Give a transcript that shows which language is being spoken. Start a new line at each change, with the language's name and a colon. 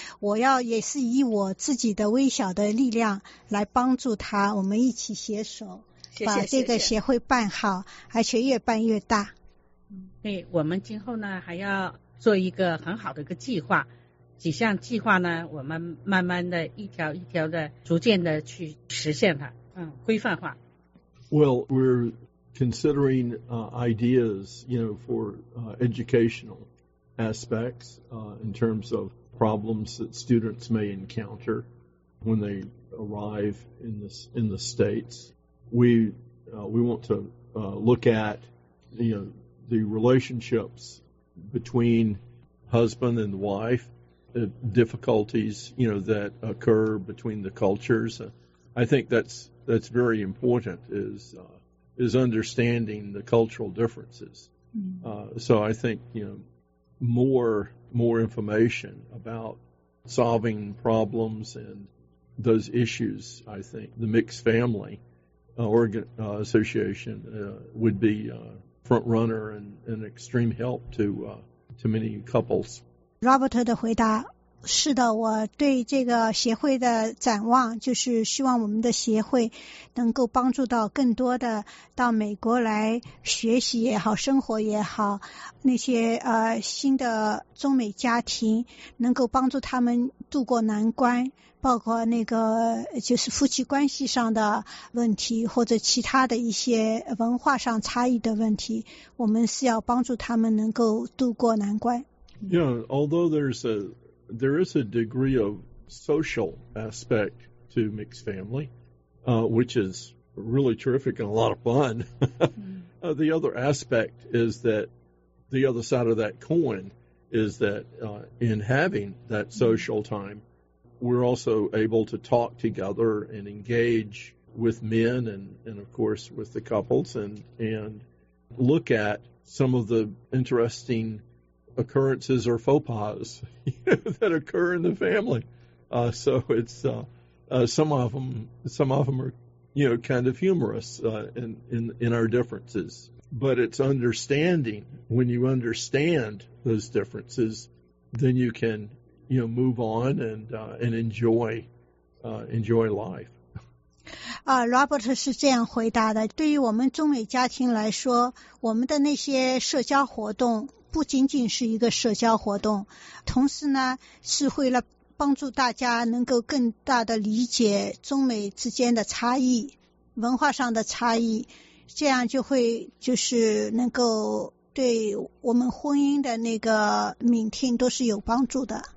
Chinese: 我要也是以我自己的微小的力量来帮助他，我们一起携手把这个协会办好，而且越办越大。嗯，对，我们今后呢还要做一个很好的一个计划，几项计划呢，我们慢慢的一条一条的逐渐的去实现它，嗯，规范化。
English: Well, we're considering ideas, you know, for educational aspects in terms of problems that students may encounter when they arrive in the States. We want to look at, you know, the relationships between husband and wife, difficulties, you know, that occur between the cultures. I think that's very important, is understanding the cultural differences. So I think, you know, more information about solving problems and those issues, I think the mixed family association would be front runner and extreme help to many couples.
Chinese: Robert 的回答是的，我对这个协会的展望就是希望我们的协会能够帮助到更多的到美国来学习也好，生活也好，那些新的中美家庭，能够帮助他们渡过难关，包括那个就是夫妻关系上的问题，或者其他的一些文化上差异的问题，我们是要帮助他们能够渡过难关。
English: Yeah, although there is a degree of social aspect to mixed family, which is really terrific and a lot of fun. The other aspect is that the other side of that coin is that in having that social time, we're also able to talk together and engage with men and of course, with the couples and look at some of the interesting occurrences or faux pas that occur in the family. So it's some of them are, you know, kind of humorous in our differences. But it's understanding. When you understand those differences, then you can, you know, move on and enjoy life.
Chinese: Robert 是这样回答的：对于我们中美家庭来说，我们的那些社交活动不仅仅是一个社交活动，同时呢，是为了帮助大家能够更大的理解中美之间的差异，文化上的差异，这样就会就是能够对我们婚姻的那个敏听都是有帮助的。